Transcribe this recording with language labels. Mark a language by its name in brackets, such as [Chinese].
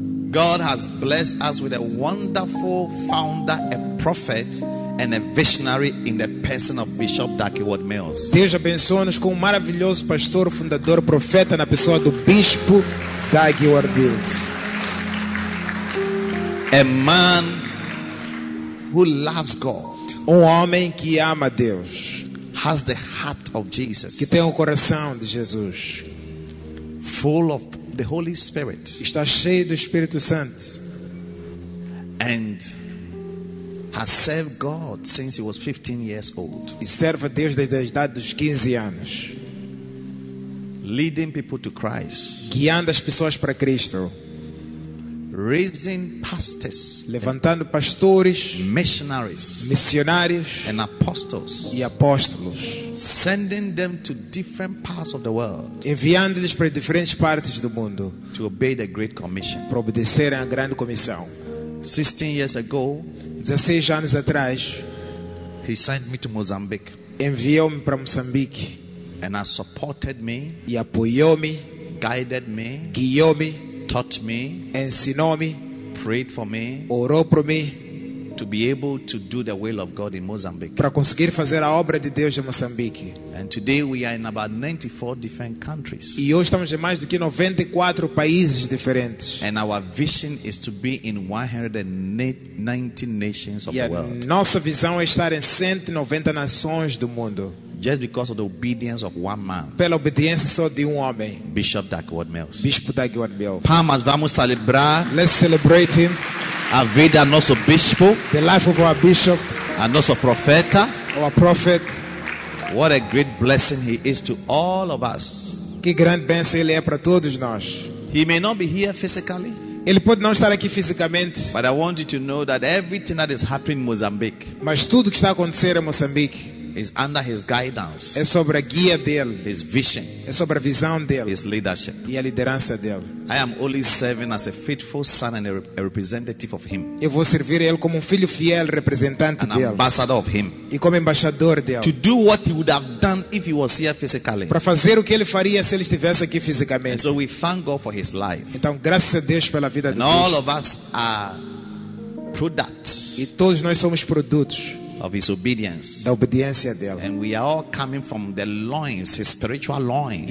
[English] God has blessed us with a wonderful founder, a prophet, and a visionary in the person of Bishop Duckworth Mills. [Portuguese] Deus abençoe-nos com um maravilhoso pastor, fundador, profeta na pessoa do Bispo Duckworth Mills. [English] A man who loves God. [Portuguese] Um homem que ama Deus. [English] Has the heart of Jesus. [Portuguese] Que tem o coração de Jesus. [English] Full of the Holy Spirit. [Portuguese] Está cheio do Espírito Santo. [English] And has served God since he was 15 years old. [Portuguese] E serve a Deus desde a idade dos 15 anos. [English] Leading people to Christ. [Portuguese] Guiando as pessoas para Cristo. [English] Raising pastors, [Portuguese] levantando pastores, [English] missionaries, [Portuguese] missionários, [English] and apostles, [Portuguese] e apóstolos, [English] sending them to different parts of the world, [Portuguese] enviando-lhes para diferentes partes do mundo, [English] to obey the great commission, [Portuguese] para obedecer a grande comissão. [English] 16 years ago, [Portuguese] 16 anos atrás, [English] he sent me to Mozambique, [Portuguese] enviou-me para Moçambique, [English] and has supported me, [Portuguese] e apoiou-me, [English] guided me, [Portuguese] guiou-me. [English] Taught me, [Portuguese] ensinou-me, [English] prayed for me, [Portuguese] orou por mim, [English] to be able to do the will of God in Mozambique. [Portuguese] Para conseguir fazer a obra de Deus em Moçambique. [English] And today we are in about 94 different countries. [Portuguese] E hoje estamos em mais do que 94 países diferentes. [English] And our vision is to be in 190 nations of [Portuguese] e a [English] the world. [Portuguese] Nossa visão é estar em 190 nações do mundo. [English] Just because of the obedience of one man. [Portuguese] Pela obediência só de homem. [English] Bishop Duckworth Mills. [Portuguese] Bispo Duckworth Mills. Palmas, vamos celebrar. [English] Let's celebrate him. [Portuguese] A vida nosso bispo. [English] The life of our bishop. [Portuguese] A nosso profeta. [English] Our prophet. What a great blessing he is to all of us. [Portuguese] Que grande bênção ele é para todos nós. [English] He may not be here physically. [Portuguese] Ele pode não estar aqui fisicamente. [English] But I want you to know that everything that is happening in Mozambique. [Portuguese] Mas tudo que está acontecendo em Moçambique. [English] Is under his guidance. [Portuguese] É sobre a guia dele. [English] His vision. [Portuguese] É sobre a visão dele. [English] His leadership. [Portuguese] E a liderança dele. [English] I am only serving as a faithful son and a representative of him. [Portuguese] Eu vou servir ele como um filho fiel representante [English] An [Portuguese] dele. [English] Ambassador of him. [Portuguese] E como embaixador dele. [English] To do what he would have done if he was here physically. [Portuguese] Para fazer o que ele faria se ele estivesse aqui fisicamente. [English] And so we thank God for his life. [Portuguese] Então graças a Deus pela vida [English] and [Portuguese] de [English] all [Portuguese] Deus. [English] Of us are products. [Portuguese] E todos nós somos produtos. [English] Of his obedience. [Portuguese] Da obediência dele. [English] And we are all coming from the loins, his spiritual loins.